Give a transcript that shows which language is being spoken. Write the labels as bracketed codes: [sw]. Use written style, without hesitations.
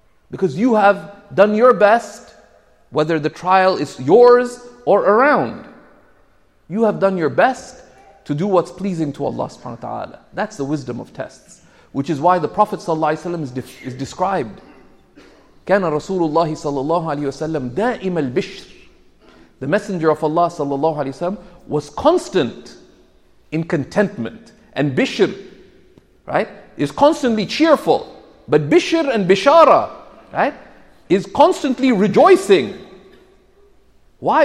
[en] Because you have done your best, whether the trial is yours or around. You have done your best to do what's pleasing to Allah subhanahu wa ta'ala. That's the wisdom of tests. Which is why the Prophet sallallahu alayhi wa sallam is described. [ar] كان رسول الله صلى الله عليه وسلم دائم البشر. [en] The Messenger of Allah sallallahu alayhi wa sallam was constant in contentment. And bishr, right, is constantly cheerful. But bishr and bishara, right, is constantly rejoicing. Why?